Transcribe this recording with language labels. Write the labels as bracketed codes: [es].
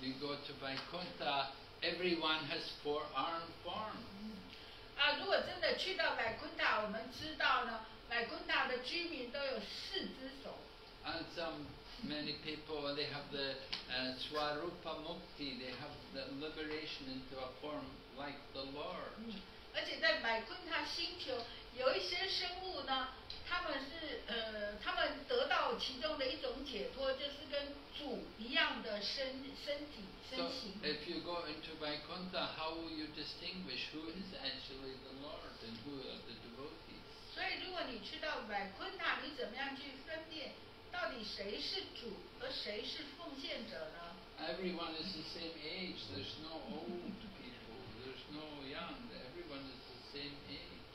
[en] You go to Vaikuntha, everyone has four arm forms. [zh] 如果真的去到Vaikuntha，我们知道呢，Vaikuntha的居民都有四只手。 [en] And many people, they have the Swarupa Mukti, they have the liberation into a form like the Lord. [zh] 而且在Vaikuntha星球，有一些生物呢，他们得到其中的一种解脱，就是跟主一样的身体身形。 [en] So if you go into Vaikuntha, how will you distinguish who is actually the Lord and who are the devotees? [zh] 所以如果你去到Vaikuntha，你怎么样去分辨？到底谁是主和谁是奉献者呢？ [en] Everyone is the same age. There's no old people. There's no young. Everyone is the same age.